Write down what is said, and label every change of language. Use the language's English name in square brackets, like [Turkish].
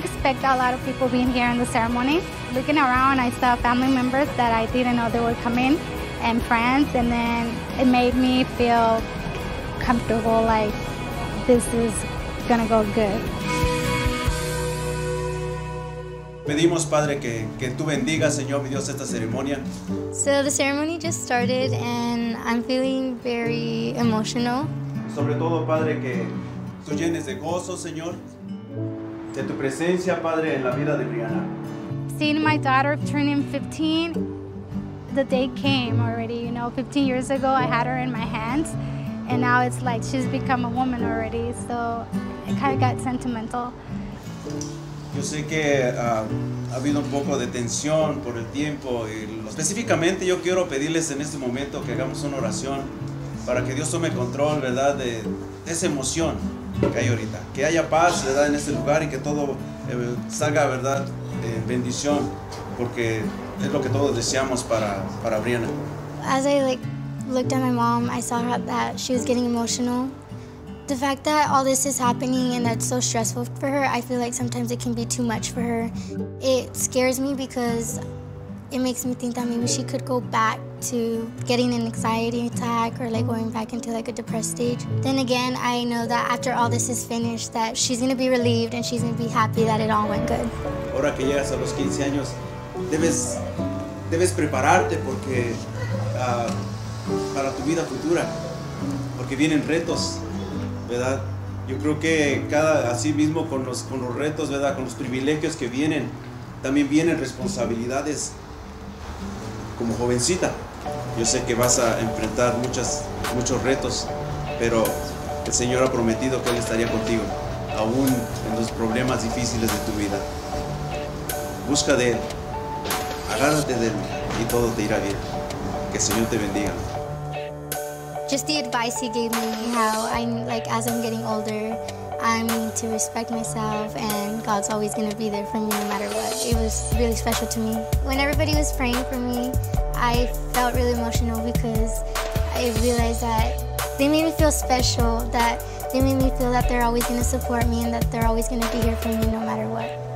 [English] A lot of people being here in the ceremony. Looking around, I saw family members that I didn't know they would come in, and friends, and then it made me feel comfortable, like this is gonna go good. [Spanish] Pedimos, Padre, que tú bendigas, Señor, mi Dios, esta ceremonia. [English] So the ceremony just started, and I'm feeling very emotional. [Spanish] Sobre todo, Padre, que tú llenes de gozo, Señor. De tu presencia, Padre, en la vida de Brianna. [English] Seeing my daughter turning 15, the day came already, you know. 15 years ago, I had her in my hands, and now it's like she's become a woman already, so it kind of got sentimental. [Spanish] Yo sé que ha habido un poco de tensión por el tiempo, y específicamente yo quiero pedirles en este momento que hagamos una oración para que Dios tome control, ¿verdad?, de esa emoción. Que hay ahorita, que haya paz, ¿verdad?, en este lugar y que todo salga, ¿verdad?, bendición, porque es lo que todos deseamos para Brianna. [English] As I looked at my mom, I saw that she was getting emotional, The fact that all this is happening and that's so stressful for her, I feel like sometimes it can be too much for her. It scares me because it makes me think that maybe she could go back to getting an anxiety attack or like going back into like a depressed stage. Then again, I know that after all this is finished, that she's gonna be relieved and she's gonna be happy that it all went good. [Spanish] Ahora que llegas a los 15 años, debes prepararte porque para tu vida futura, porque vienen retos, ¿verdad? Yo creo que cada así mismo con los retos, ¿verdad? Con los privilegios que vienen, también vienen responsabilidades. Como jovencita, yo sé que vas a enfrentar muchos retos, pero el Señor ha prometido que Él estaría contigo, aún en los problemas difíciles de tu vida. Busca de Él, agárrate de Él y todo te irá bien. Que el Señor te bendiga. [English] Just the advice He gave me, how I'm like, as I'm getting older, I'm to respect myself, and God's always gonna be there for me no matter what. It was really special to me. When everybody was praying for me, I felt really emotional because I realized that they made me feel special, that they made me feel that they're always gonna support me and that they're always gonna be here for me no matter what.